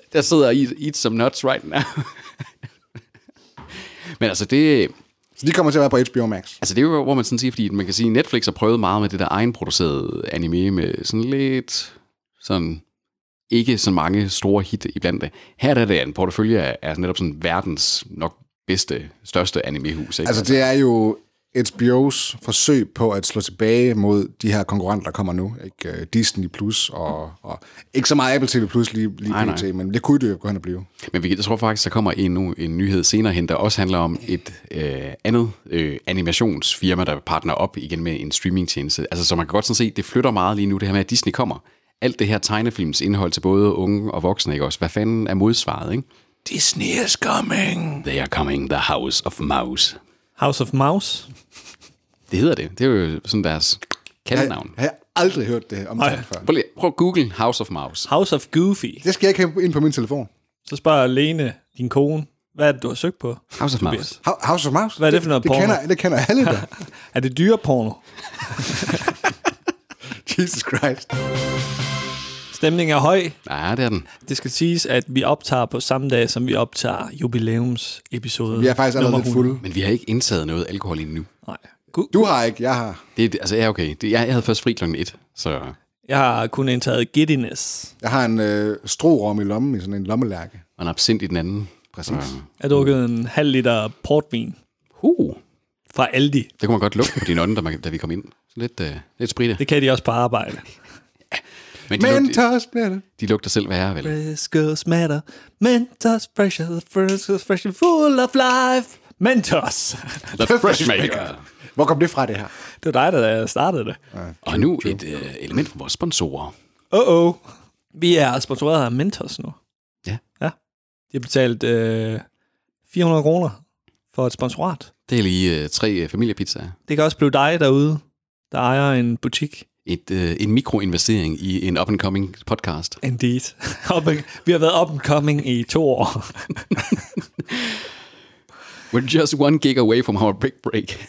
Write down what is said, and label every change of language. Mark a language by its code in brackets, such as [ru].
[da] Der sidder [en] eat some nuts right now. [da] Men altså det... Så de kommer til at være på HBO Max. Altså det er jo, hvor man sådan siger, fordi man kan sige, Netflix har prøvet meget med det der egenproducerede anime med sådan lidt sådan ikke så mange store hit iblandt det. Her er det en portefølje af netop sådan verdens nok bedste, største animehus. Ikke? Altså det er jo... HBO's forsøg på at slå tilbage mod de her konkurrenter, der kommer nu. Ikke? Disney Plus og ikke så meget Apple TV Plus lige, men det kunne det jo gå hen og blive. Men jeg tror faktisk, der kommer en nyhed senere hen, der også handler om et andet animationsfirma, der partner op igen med en streamingtjeneste. Altså, så man kan godt sådan se, det flytter meget lige nu, det her med, at Disney kommer. Alt det her tegnefilms indhold til både unge og voksne, ikke også? Hvad fanden er modsvaret, ikke? [en] Disney is coming. They are coming, the House of Mouse. House of Mouse? [da] Det hedder det. Det er jo sådan deres kaldenavn. Jeg har aldrig hørt det om det før. Prøv at google House of Mouse. [en] House of Goofy. [da] Det skal jeg ikke have ind på min telefon. Så spørger Lene, din kone, hvad er det, du har søgt på? [en] House of [da] du [en] Mouse. Bliver... House of Mouse? [da] Hvad er det for noget det porno? Det kender alle da. Er det dyre porno? [en] Jesus Christ. [da] Stemningen er høj. Ja, det er den. Det skal siges, at vi optager på samme dag, som vi optager jubilæumsepisode. Vi er faktisk allerede lidt fulde. Men vi har ikke indtaget noget alkohol endnu. Nej. Du har ikke, jeg har. Det er, altså, er okay. Jeg havde først fri klokken 1, så... Jeg har kun indtaget giddiness. Jeg har en strorum i lommen, i sådan en lommelærke. Og en absint i den anden. Præcis. Jeg har drukket en halv liter portvin. Fra Aldi. Det kunne man godt lukke på din ånden, da vi kom ind. Så lidt spritte. Det kan de også på arbejde. Mentos matter. De lugter selv værre, vel? [en] Friskos matter. Mentos fresh. Friskos fresh and full of life. Mentos. The fresh maker. [da] Hvor kom det fra, det her? Det var dig, der startede det. Og nu et element fra vores sponsorer. Vi er sponsoreret af Mentos nu. Ja. Ja. De har betalt 400 kroner for et sponsorat. Det er lige tre familiepizzaer. Det kan også blive dig derude, der ejer en butik. En mikroinvestering i en up-and-coming podcast. [en] Indeed. [da] Vi har været up-and-coming i 2 år. [en] We're just 1 gig away from our big break.